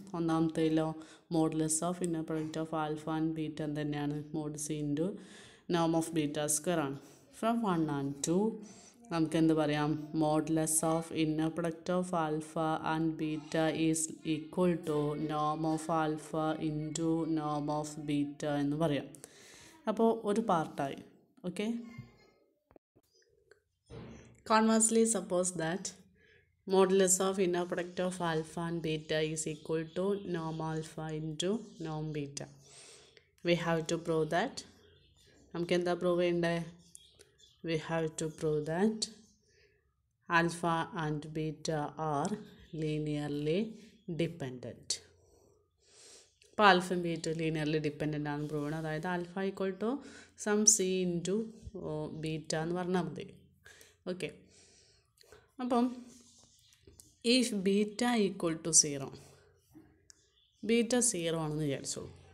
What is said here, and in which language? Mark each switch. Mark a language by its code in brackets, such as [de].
[ml] ഒന്നാമത്തേലോ [en] modulus of inner product of alpha and beta [ml] തന്നെയാണ്, [en] Mode C into Noam of beta square ആണ്. From one and to [ml] നമുക്ക് എന്ത് പറയാം, [en] modulus of inner product of alpha and beta is equal to Noam of alpha into Noam of beta [ml] എന്ന് പറയാം. അപ്പോൾ ഒരു പാർട്ടായി. [en] Okay, conversely suppose that modulus of inner product of alpha and beta is equal to norm alpha into norm beta. We have to prove that. [ml] നമുക്ക് എന്താ prove ചെയ്യേണ്ടത്, [en] we have to prove that alpha and beta are linearly dependent. [ml] അപ്പോൾ alpha beta linearly dependent ആണ് prove ചെയ്യണം. അതായത് alpha equal to some C into beta എന്ന് പറഞ്ഞാൽ മതി. [en] okay, അപ്പം if beta equal to zero, [ml] beta zero ആണെന്ന് വിചാരിച്ചോളൂ.